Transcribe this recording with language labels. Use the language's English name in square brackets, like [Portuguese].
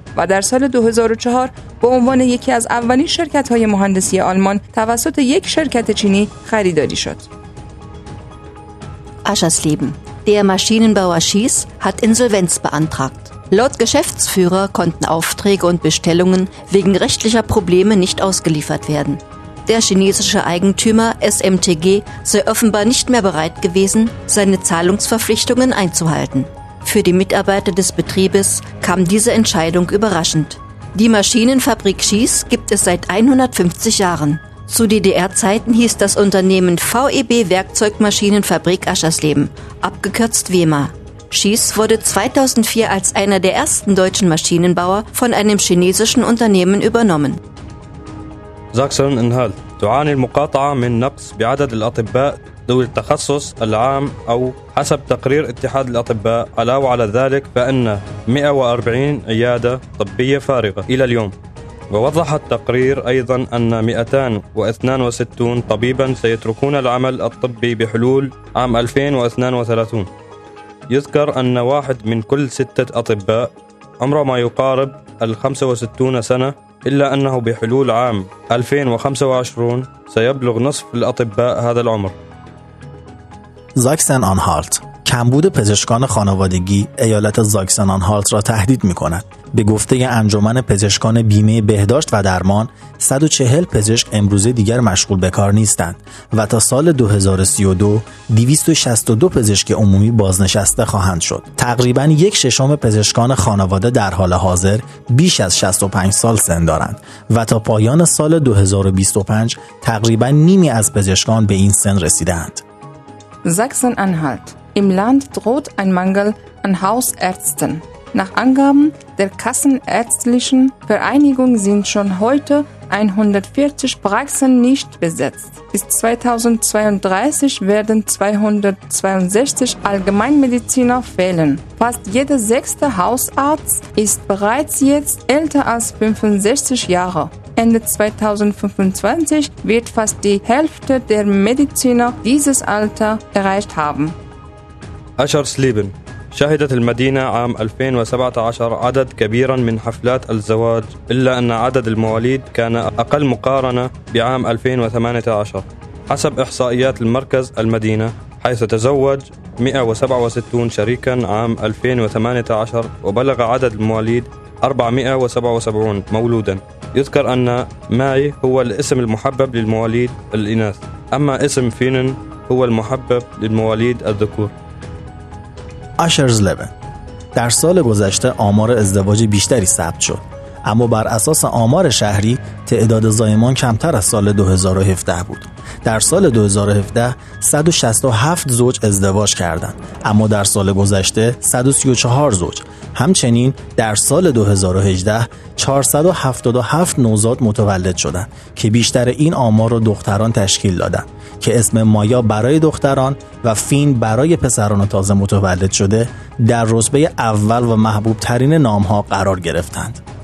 [Persian] و در سال 2004 به عنوان یکی از اولین شرکت‌های مهندسی آلمان توسط یک شرکت چینی خریداری شد. [German] Aschers Leben. Der Maschinenbauer Schieß hat Insolvenz beantragt. Laut Geschäftsführer konnten Aufträge und Bestellungen wegen rechtlicher Probleme nicht ausgeliefert werden. Der chinesische Eigentümer SMTG sei offenbar nicht mehr bereit gewesen, seine Zahlungsverpflichtungen einzuhalten. Für die Mitarbeiter des Betriebes kam diese Entscheidung überraschend. Die Maschinenfabrik Schieß gibt es seit 150 Jahren. Zu DDR-Zeiten hieß das Unternehmen VEB Werkzeugmaschinenfabrik Aschersleben, abgekürzt WEMA. Schieß wurde 2004 als einer der ersten deutschen Maschinenbauer von einem chinesischen Unternehmen übernommen. Sachsen Inhalt. [Arabic] تعاني المقاطعة من نقص بعدد الأطباء ذوي التخصص العام أو حسب تقرير اتحاد الأطباء علاوة على ذلك فإن 140 عيادة طبية فارغة إلى اليوم ووضح التقرير أيضا أن 262 طبيبا سيتركون العمل الطبي بحلول عام 2032 يذكر أن واحد من كل ستة أطباء عمره ما يقارب 65 سنة إلا أنه بحلول عام 2025 سيبلغ نصف الأطباء هذا العمر. [Persian] زاکسن آنهالت. کمبود پزشکان خانوادگی ایالت زاکسن آنهالت را تهدید می‌کند. به گفته انجمن پزشکان بیمه بهداشت و درمان 140 پزشک امروزه دیگر مشغول به کار نیستند و تا سال 2032 262 پزشک عمومی بازنشسته خواهند شد. تقریبا یک ششم پزشکان خانواده در حال حاضر بیش از 65 سال سن دارند و تا پایان سال 2025 تقریبا نیمی از پزشکان به این سن رسیدند. [German] Sachsen-Anhalt. Im Land droht ein Mangel an Hausärzten. Nach Angaben der Kassenärztlichen Vereinigung sind schon heute 140 Praxen nicht besetzt. Bis 2032 werden 262 Allgemeinmediziner fehlen. Fast jeder sechste Hausarzt ist bereits jetzt älter als 65 Jahre. Ende 2025 wird fast die Hälfte der Mediziner dieses Alter erreicht haben. Aschers Leben. [Arabic] شهدت المدينة عام 2017 عدد كبيرا من حفلات الزواج إلا أن عدد المواليد كان أقل مقارنة بعام 2018 حسب إحصائيات المركز المدينة حيث تزوج 167 شريكا عام 2018 وبلغ عدد المواليد 477 مولودا يذكر أن ماي هو الاسم المحبب للمواليد الإناث أما اسم فينن هو المحبب للمواليد الذكور [German] Aschers Leben. [Persian] در سال گذشته آمار ازدواج بیشتری ثبت شد اما بر اساس آمار شهری تعداد زایمان کمتر از سال 2017 بود در سال 2017 167 زوج ازدواج کردند اما در سال گذشته 134 زوج همچنین در سال 2018 477 نوزاد متولد شدند که بیشتر این آمار را دختران تشکیل دادند که اسم مایا برای دختران و فین برای پسران تازه متولد شده در رتبه اول و محبوب ترین نام ها قرار گرفتند.